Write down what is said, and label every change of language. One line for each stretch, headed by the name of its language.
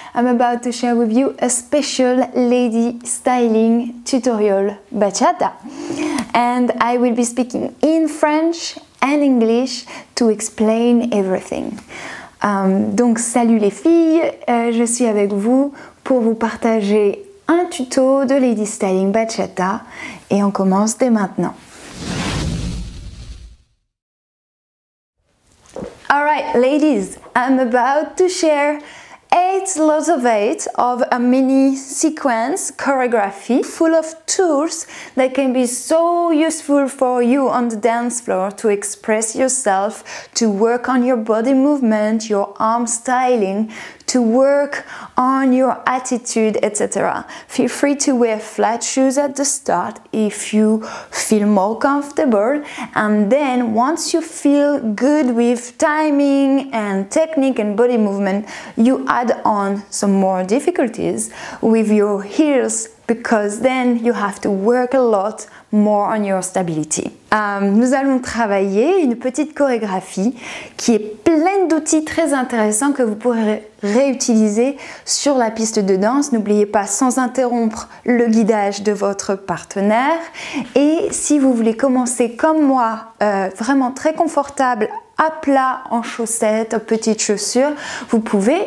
English: I'm about to share with you a special lady styling tutorial, bachata. And I will be speaking in French and English to explain everything.
French: Donc salut les filles, je suis avec vous pour vous partager un tuto de lady styling bachata et on commence dès maintenant.
English: Alright, ladies, I'm about to share 8 lots of 8 of a mini sequence choreography full of tools that can be so useful for you on the dance floor to express yourself, to work on your body movement, your arm styling, to work on your attitude, etc. Feel free to wear flat shoes at the start if you feel more comfortable, and then once you feel good with timing and technique and body movement, you add on some more difficulties with your heels, because then you have to work a lot more on your stability.
French: Nous allons travailler une petite chorégraphie qui est pleine d'outils très intéressants que vous pourrez réutiliser sur la piste de danse. N'oubliez pas, sans interrompre le guidage de votre partenaire. Et si vous voulez commencer comme moi, vraiment très confortable, à plat, en chaussettes, petites chaussures, vous pouvez.